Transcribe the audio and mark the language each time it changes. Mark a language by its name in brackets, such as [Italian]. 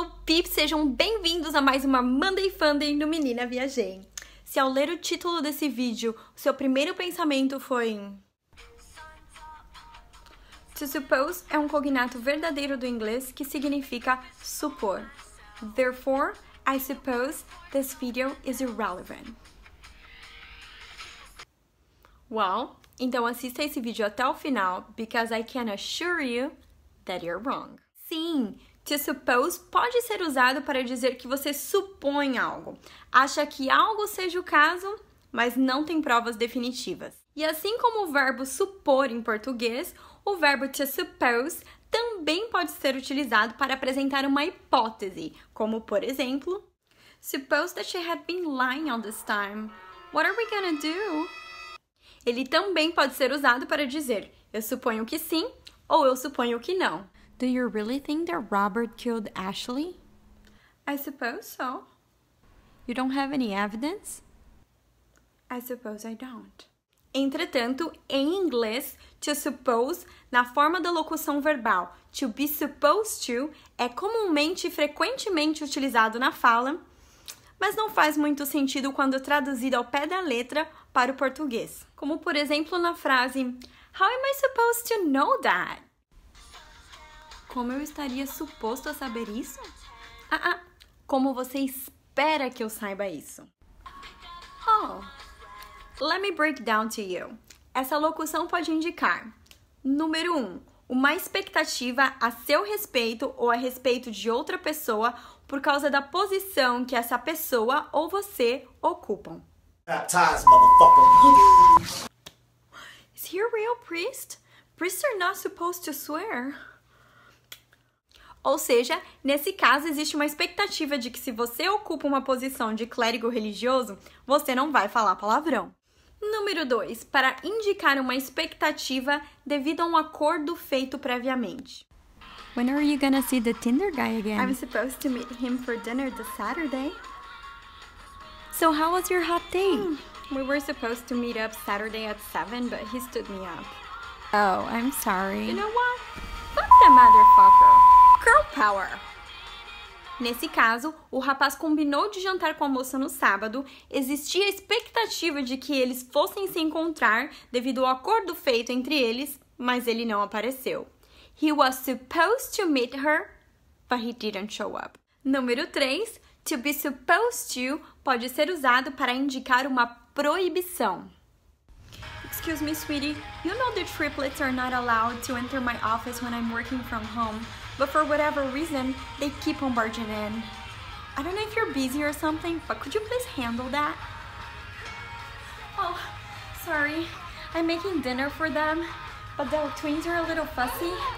[Portuguese] Pips, sejam bem-vindos a mais uma Monday Funday no Menina Viajei. Se ao ler o título desse vídeo, o seu primeiro pensamento foi... To suppose é um cognato verdadeiro do inglês que significa supor. [English] Therefore, I suppose this video is irrelevant. Well, [Portuguese] então assista esse vídeo até o final, [English] because I can assure you that you're wrong. [Portuguese] Sim! To suppose pode ser usado para dizer que você supõe algo. Acha que algo seja o caso, mas não tem provas definitivas. E assim como o verbo supor em português, o verbo to suppose também pode ser utilizado para apresentar uma hipótese, como por exemplo... [English] Suppose that she had been lying all this time. What are we gonna do? [Portuguese] Ele também pode ser usado para dizer eu suponho que sim ou eu suponho que não. [English] Do you really think that Robert killed Ashley? I suppose so. You don't have any evidence? I suppose I don't. [Portuguese] Entretanto, em inglês, to suppose, na forma da locução verbal to be supposed to, é comumente e frequentemente utilizado na fala, mas não faz muito sentido quando traduzido ao pé da letra para o português. Como, por exemplo, na frase, [English] How am I supposed to know that? [Portuguese] Como eu estaria suposto a saber isso? Como você espera que eu saiba isso? Oh, [English] let me break down to you. [Portuguese] Essa locução pode indicar, número 1, uma expectativa a seu respeito ou a respeito de outra pessoa por causa da posição que essa pessoa ou você ocupam. [English] Baptize, motherfucker. Is he a real priest? Priests are not supposed to swear. [Portuguese] Ou seja, nesse caso existe uma expectativa de que se você ocupa uma posição de clérigo religioso, você não vai falar palavrão. Número 2. Para indicar uma expectativa devido a um acordo feito previamente. [English] When are you gonna see the Tinder guy again? I'm supposed to meet him for dinner this Saturday. So how was your hot date? We were supposed to meet up Saturday at 7, but he stood me up. Oh, I'm sorry. You know what? Fuck the motherfucker. Girl power! [Portuguese] Nesse caso, o rapaz combinou de jantar com a moça no sábado, existia a expectativa de que eles fossem se encontrar devido ao acordo feito entre eles, mas ele não apareceu. [English] He was supposed to meet her, but he didn't show up. [Portuguese] Número 3, to be supposed to pode ser usado para indicar uma proibição. [English] Excuse me, sweetie, you know the triplets are not allowed to enter my office when I'm working from home. But for whatever reason, they keep on barging in. I don't know if you're busy or something, but could you please handle that? Oh, sorry. I'm making dinner for them, but the twins are a little fussy.